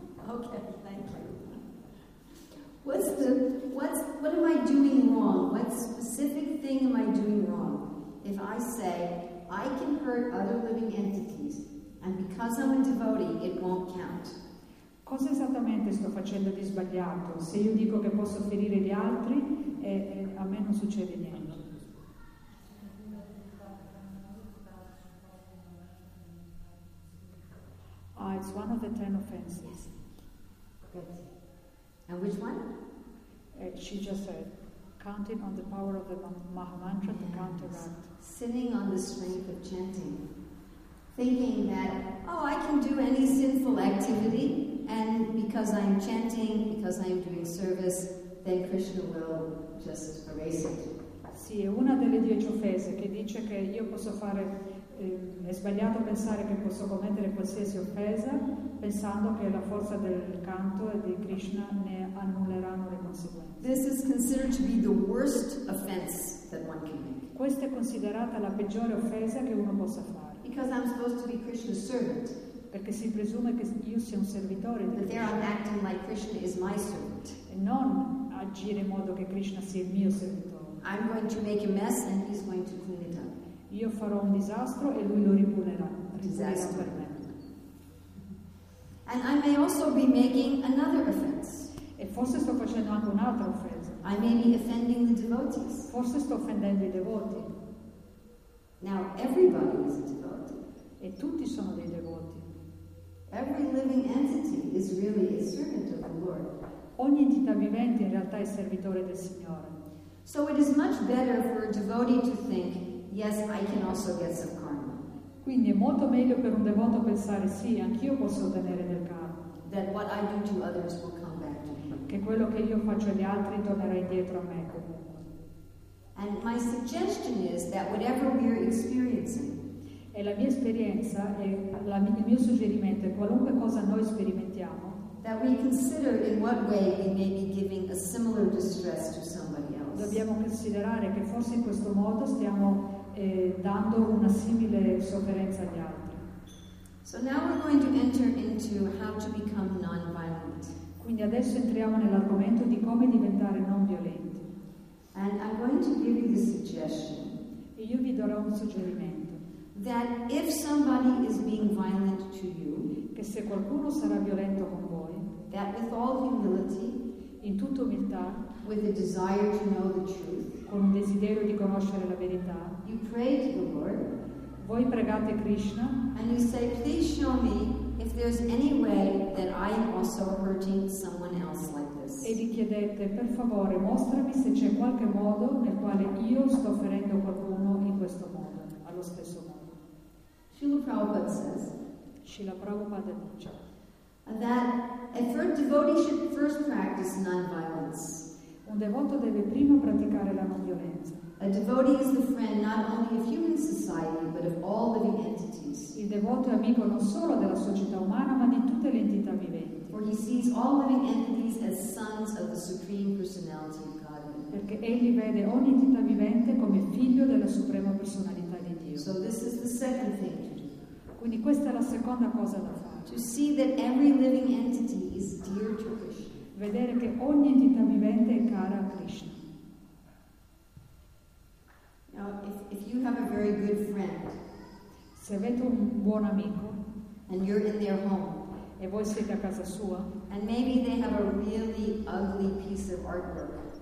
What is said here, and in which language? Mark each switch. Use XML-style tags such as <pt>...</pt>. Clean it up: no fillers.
<en>Okay, thank you. What am I doing wrong? What specific thing am I doing wrong? If I say, I can hurt other living entities, and because I'm a devotee, it won't count.</en> <it>Cosa esattamente sto facendo di sbagliato? Se io dico che posso ferire gli altri, e a me non succede niente.</it> <en>Ah, it's one of the 10 offenses. Yes. Good. And which one? She just said, counting on the power of the Mahamantra, yes, to counteract. Sitting on the strength of chanting. Thinking that, oh, I can do any sinful activity, and because I'm chanting, because I'm doing service, then Krishna will just erase it.</en> <it>Sì, è una delle 10 offese che dice che io posso fare, è sbagliato pensare che posso commettere qualsiasi offesa, pensando che la forza del canto e di Krishna ne annulleranno le conseguenze.</it> <en>This is considered to be the worst offense that one can make.</en> <it>Questa è considerata la peggiore offesa che uno possa fare.</it> <en>Because I'm supposed to be Krishna's servant.</en> <it>Perché si presume che io sia un servitore di Krishna.</it> <en>But there I'm acting like Krishna is my servant.</en> <it>E non agire in modo che Krishna sia il mio servitore.</it> <en>I'm going to make a mess and he's going to clean it up.</en> <it>Io farò un disastro e lui lo ripulirà. Disastro per me.</it> <en>And I may also be making another offense.</en> <it>E forse sto facendo anche un'altra offesa.</it> <en>I may be offending the devotees.</en> <it>Forse sto offendendo i devoti.</it> <en>Now everybody is a devotee.</en> <it>E tutti sono dei devoti.</it> <en>Every living entity is really a servant of the Lord.</en> <it>Ogni entità vivente in realtà è servitore del Signore.</it> <en>So it is much better for a devotee to think, yes, I can also get some karma.</en> <it>Quindi è molto meglio per un devoto pensare, sì, anch'io posso ottenere del karma.</it> <en>That what I do to others will come back to me.</en> <it>Che quello che io faccio agli altri tornerà indietro a me comunque.</it> <en>And my suggestion is that whatever we are experiencing.</en> <it>E la mia esperienza e il mio suggerimento è qualunque cosa noi sperimentiamo.</it> <en>That we consider in what way we may be giving a similar distress to somebody else.</en> <it>Dobbiamo considerare che forse in questo modo stiamo dando una simile sofferenza agli altri.</it> <en>So now we're going to enter into how to become non-violent.</en> <it>Quindi adesso entriamo nell'argomento di come diventare non violenti.</it> <en>And I'm going to give you the suggestion.</en> <it>E io vi darò un suggerimento.</it> <en>That if somebody is being violent to you,</en> <it>che se qualcuno sarà violento con voi,</it> <en>that with all humility,</en> <it>in tutta umiltà,</it> <en>with a desire to know the truth,</en> <it>con un desiderio di conoscere la verità,</it> <en>you pray to the Lord,</en> <it>voi pregate Krishna,</it> <en>and you say, please show me if there's any way that I am also hurting someone else like this.</en> <it>E vi chiedete, per favore, mostrami se c'è qualche modo nel quale io sto ferendo qualcuno in questo modo, allo stesso modo.</it> <en>Srila Prabhupada says,</en> <it>Srila Prabhupada dice,</it> <en>and that a devotee should first practice non-violence.</en> <it>Un devoto deve prima praticare la non violenza.</it> <en>A devotee is the friend not only of human society but of all living entities.</en> <it>Il devoto è amico non solo della società umana ma di tutte le entità viventi.</it> <en>For he sees all living entities as sons of the supreme personality of God.</en> <it>Perché egli vede ogni entità vivente come figlio della suprema personalità di Dio.</it> <en>So this is the second thing to do.</en> <it>Quindi questa è la seconda cosa da fare.</it> <en>To see that every living entity is dear to Krishna.</en> <it>Vedere che ogni entità vivente è cara a Krishna.</it> <en>Now, if you have a very good friend,</en> <it>se avete un buon amico,</it> <en>and you're in their home,</en> <it>e voi siete a casa sua,</it> <en>and maybe they have a really ugly piece of artwork,</en>